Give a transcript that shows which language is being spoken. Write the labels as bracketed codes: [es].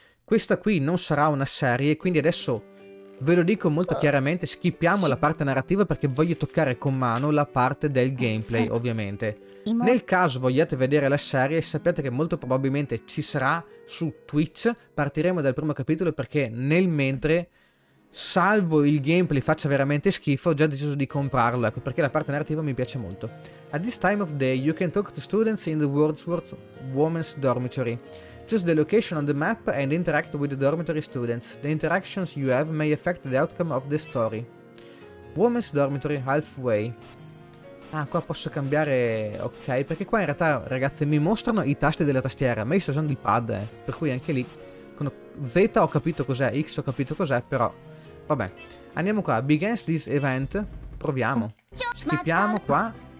[it] Questa qui non sarà una serie, quindi adesso ve lo dico molto chiaramente, skippiamo la parte narrativa perché voglio toccare con mano la parte del gameplay, ovviamente. Nel caso vogliate vedere la serie, sappiate che molto probabilmente ci sarà su Twitch. Partiremo dal primo capitolo perché nel mentre, salvo il gameplay faccia veramente schifo, ho già deciso di comprarlo, ecco, perché la parte narrativa mi piace molto. [en] At this time of day, you can talk to students in the Wordsworth Women's Dormitory. Choose the location on the map and interact with the dormitory students. The interactions you have may affect the outcome of the story. Women's Dormitory, halfway. [it] Ah, qua posso cambiare... Ok, perché qua in realtà, ragazzi, mi mostrano i tasti della tastiera, ma io sto usando il pad, per cui anche lì... Con Z ho capito cos'è, X ho capito cos'è, però... Vabbè, andiamo qua. [en] Begins this event. [it] Proviamo. Skippiamo qua.